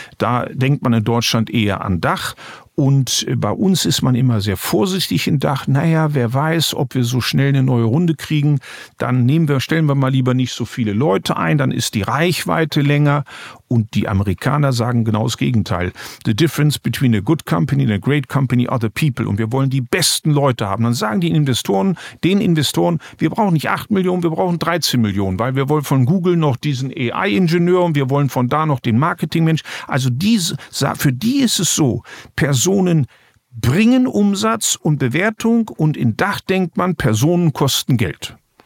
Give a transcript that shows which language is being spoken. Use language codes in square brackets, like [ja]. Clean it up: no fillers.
[de] Da denkt man in Deutschland eher an Dach. Und bei uns ist man immer sehr vorsichtig in Dach. Naja, wer weiß, ob wir so schnell eine neue Runde kriegen. Dann stellen wir mal lieber nicht so viele Leute ein. Dann ist die Reichweite länger. Und die Amerikaner sagen genau das Gegenteil. [en] The difference between a good company and a great company are the people. [de] Und wir wollen die besten Leute haben. Dann sagen die Investoren, den Investoren, wir brauchen nicht 8 Millionen, wir brauchen 13 Millionen, weil wir wollen von Google noch diesen AI-Ingenieur und wir wollen von da noch den Marketingmensch. Also für die ist es so, Personen bringen Umsatz und Bewertung und in Dach denkt man, Personen kosten Geld.